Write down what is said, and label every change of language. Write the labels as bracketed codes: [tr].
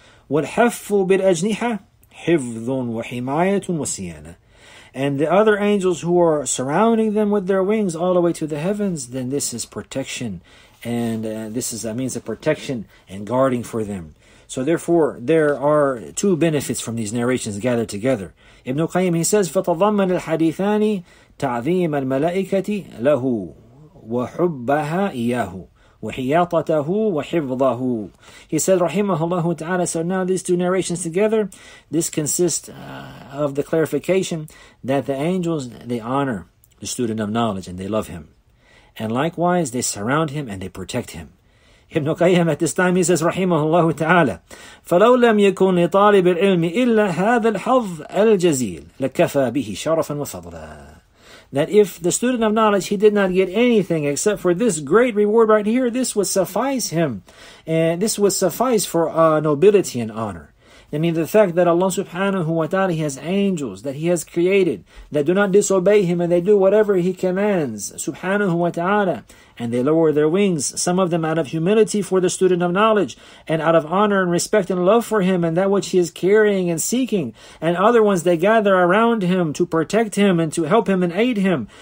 [ar] وَالْحَفُّ بِالْأَجْنِحَ حِفْظٌ وَحِمَايَةٌ وَسِيَانَةٌ. [en] And the other angels who are surrounding them with their wings all the way to the heavens, then this is protection. And this is a means of protection and guarding for them. So therefore, there are two benefits from these narrations gathered together. Ibn Qayyim, he says, [ar] فَتَضَمَّنَ الْحَدِيثَانِ تَعْذِيمَ الْمَلَائِكَةِ لَهُ وَحُبَّهَا إِيَّهُ وَحِيَاطَتَهُ وَحِفْظَهُ. [en] He said, rahimahullahu ta'ala, so now these two narrations together, this consists of the clarification that the angels, they honor the student of knowledge and they love him. And likewise, they surround him and they protect him. Ibn Qayyim at this time, he says, [ar] rahimahullahu ta'ala, فَلَوْ لَمْ يَكُنْ لِطَالِبِ الْعِلْمِ إِلَّا هَذَا الْحَظَّ الْجَزِيلِ لَكَفَى بِهِ شَرَفًا وَفَضْلًا. [en] That if the student of knowledge, he did not get anything except for this great reward right here, this would suffice him. And this would suffice for nobility and honor. I mean, the fact that Allah subhanahu wa ta'ala, he has angels that he has created that do not disobey him and they do whatever he commands, subhanahu wa ta'ala, and they lower their wings, some of them out of humility for the student of knowledge and out of honor and respect and love for him and that which he is carrying and seeking, and other ones they gather around him to protect him and to help him and aid him.